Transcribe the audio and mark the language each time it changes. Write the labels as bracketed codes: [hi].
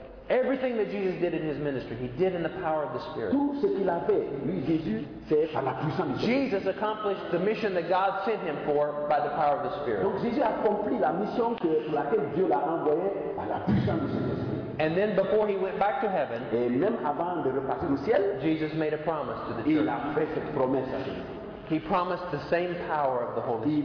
[en] Everything that Jesus did in his ministry, he did in the power of the Spirit. [fr] Tout ce qu'il a fait, lui, Jésus, c'est par la puissance du Saint. [en] Jesus accomplished the mission that God sent him for by the power of the Spirit. [fr] Donc Jésus a accompli la mission que, pour laquelle Dieu l'a envoyé par la puissance du Saint-Esprit. [en] And then before he went back to heaven, [fr] et même avant de repartir au ciel, [en] Jesus made a promise to the church. [fr] Il a fait cette promesse à lui. [en] He promised the same power of the Holy Spirit.